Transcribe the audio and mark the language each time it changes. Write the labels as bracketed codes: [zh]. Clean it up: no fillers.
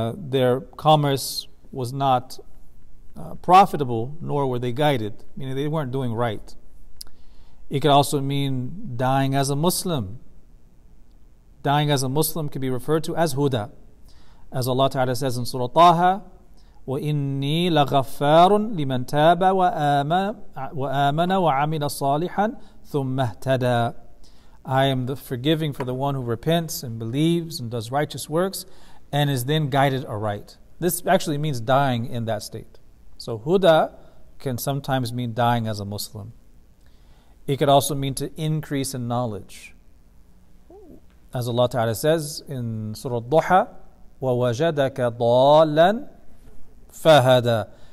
[en] Their commerce was not profitable, nor were they guided, meaning they weren't doing right. It could also mean dying as a Muslim. Dying as a Muslim can be referred to as huda. As Allah Ta'ala says in Surah Taha, [ar] وَإِنِّي لَغَفَّارٌ لِمَنْ تَابَ وَآمَنَ وَعَمِلَ صَالِحًا ثُمَّ اهْتَدَى. [en] I am the forgiving for the one who repents and believes and does righteous works and is then guided aright. This actually means dying in that state. So huda can sometimes mean dying as a Muslim. It could also mean to increase in knowledge. As Allah Ta'ala says in Surah Al-Duha, [ar] وَوَجَدَكَ ضَالًا فَهَدَى.